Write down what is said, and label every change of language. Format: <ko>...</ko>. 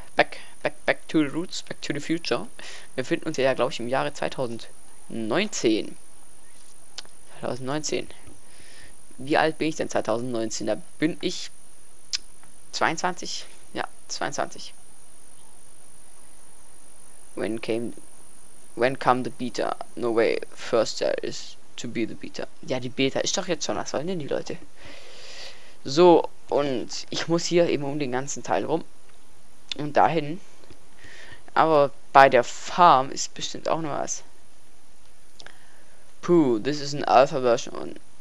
<en>Back, back, back to the roots, back to the future.</en> <de>Wir befinden uns ja, glaube ich, im Jahre 2019. 2019. Wie alt bin ich denn 2019? Da bin ich 22. Ja, 22.</de> <en>When came the beta? No way. First there is to be the beta.</en> <de>Ja, die Beta ist doch jetzt schon. Was wollen denn die Leute? So. Und ich muss hier eben um den ganzen Teil rum und dahin. Aber bei der Farm ist bestimmt auch noch was.</de> <en>Puh, this is an Alpha Version.</en>